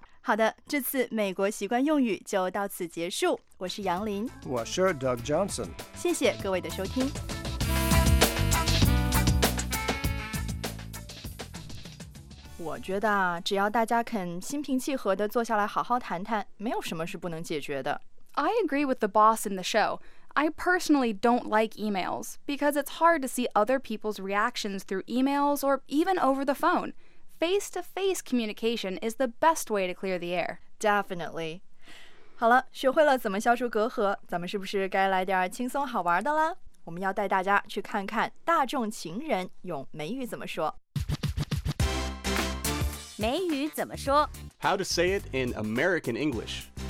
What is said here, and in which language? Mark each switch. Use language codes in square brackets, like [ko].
[zh] 好的，这次美国习惯用语就到此结束。我是杨林，我是 Doug Johnson，谢谢各位的收听。我觉得啊，只要大家肯心平气和地坐下来好好谈谈，没有什么是不能解决的。 [en] I agree with the boss in the show. I personally don't like emails, because it's hard to see other people's reactions through emails or even over the phone. Face-to-face communication is the best way to clear the air. Definitely. [zh] 好了，学会了怎么消除隔阂，咱们是不是该来点轻松好玩的了？我们要带大家去看看大众情人用美语怎么说。美语怎么说？ [en] How to say it in American English.